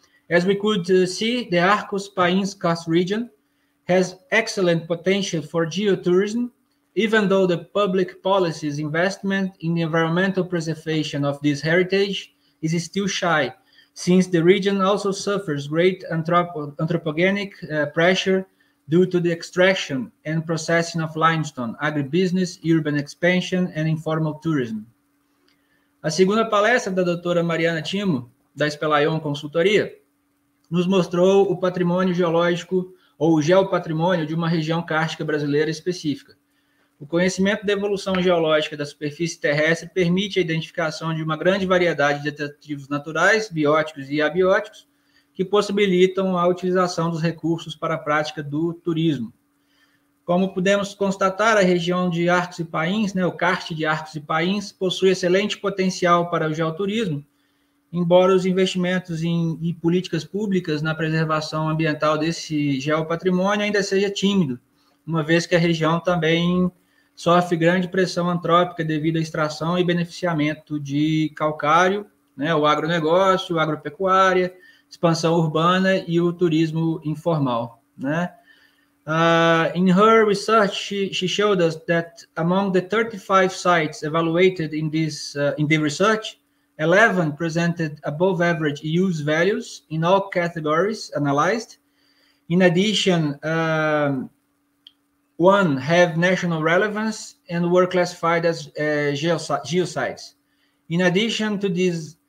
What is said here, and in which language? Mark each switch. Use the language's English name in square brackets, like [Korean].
[English] As we could see, the Arcos Paíns coast region has excellent potential for geotourism, even though the public policy's investment in the environmental preservation of this heritage is still shy, since the region also suffers great anthropogenic pressure due to the extraction and processing of limestone, agribusiness, urban expansion, and informal tourism. [Portuguese] A segunda palestra da doutora Mariana Timo, da Spelaion Consultoria, nos mostrou o patrimônio geológico ou o geopatrimônio de uma região kárstica brasileira específica. O conhecimento da evolução geológica da superfície terrestre permite a identificação de uma grande variedade de atrativos naturais, bióticos e abióticos, que possibilitam a utilização dos recursos para a prática do turismo. Como pudemos constatar, a região de Arcos e Paíns, né, o Carst de Arcos e Paíns, possui excelente potencial para o geoturismo, embora os investimentos em políticas públicas na preservação ambiental desse geopatrimônio ainda seja tímido, uma vez que a região também sofre grande pressão antrópica devido à extração e beneficiamento de calcário, né, o agronegócio, a agropecuária, expansão urbana e o turismo informal, né? [English] In her research, she showed us that among the 35 sites evaluated in the research, 11 presented above average use values in all categories analyzed. In addition, one have national relevance and were classified as geosites. In addition to these